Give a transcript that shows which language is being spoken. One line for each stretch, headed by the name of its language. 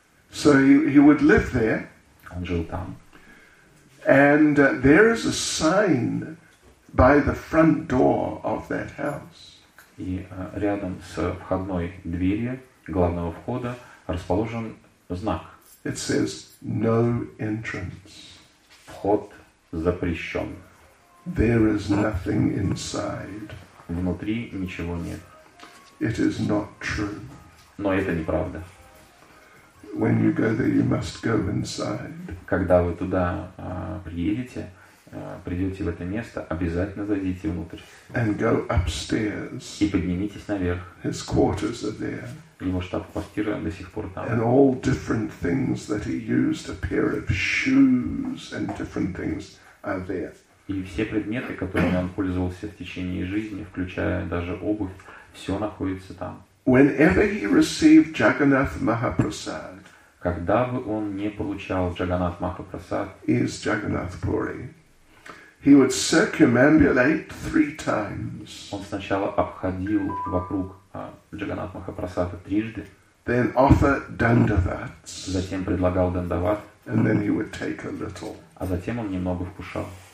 English: So he would live there.
Russian: Он жил там.
English: And there is a sign by the front door of that house.
Russian: И рядом с входной дверью главного входа расположен знак.
English: It says no entrance.
Russian: Вход запрещен.
English: There is nothing inside.
Russian: Внутри ничего нет.
English: It is not true.
Russian: Но это неправда.
English: When you go there, you must go inside.
Russian: Когда вы туда приедете, придете в это место, обязательно зайдите внутрь.
English: And go upstairs.
Russian: И поднимитесь наверх.
English: His quarters are there.
Russian: Его штаб-квартира до сих пор там.
English: And all different things that he used, a pair of shoes and different things are there.
Russian: И все предметы, которыми он пользовался в течение жизни, включая даже обувь, все находится там.
English: Whenever he received Jagannath Mahaprasad,
Russian: когда бы он не получал Джаганнат Махапрасад, из
English: Jagannath Puri, he would circumambulate three times.
Russian: Он сначала обходил вокруг Джаганнат Махапрасада трижды.
English: Then offer dandavats.
Russian: Затем предлагал дандават.
English: And then he would take a little.
Russian: А затем он немного вкушал.